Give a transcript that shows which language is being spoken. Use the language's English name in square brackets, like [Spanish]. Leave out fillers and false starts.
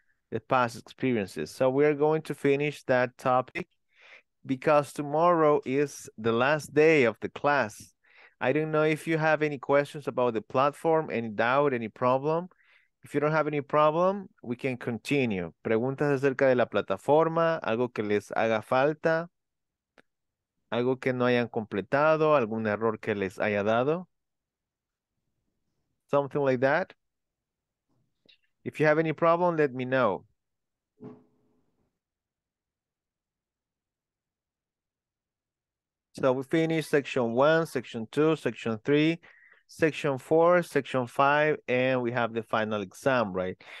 [English] The past experiences. So we are going to finish that topic because tomorrow is the last day of the class. I don't know if you have any questions about the platform, any doubt, any problem. If you don't have any problem, we can continue. [Spanish] Preguntas acerca de la plataforma, algo que les haga falta, algo que no hayan completado, algún error que les haya dado. [English] Something like that. If you have any problem, let me know. So we finished section one, section two, section three. Section four, section five, and we have the final exam, right?